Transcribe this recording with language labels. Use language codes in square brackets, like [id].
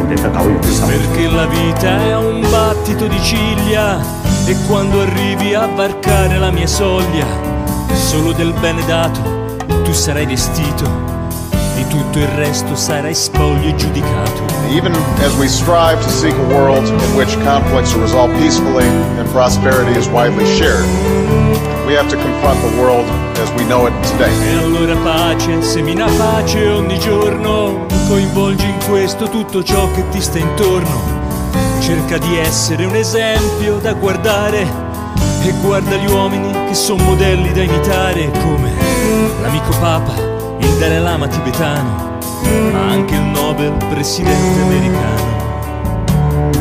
[it] Perché la vita è un battito di ciglia, e quando arrivi a varcare la mia soglia, solo del bene dato tu sarai vestito, di tutto il resto sarai spoglio e giudicato. [en] Even as we strive to seek a world in which conflicts are resolved peacefully and prosperity is widely shared, we have to confront the world as we know it today. [it] E allora pace, semina pace ogni giorno, coinvolgi in questo tutto ciò che ti sta intorno. Cerca di essere un esempio da guardare, e guarda gli uomini che sono modelli da imitare, come l'amico Papa, il Dalai Lama tibetano, ma anche il Nobel presidente americano.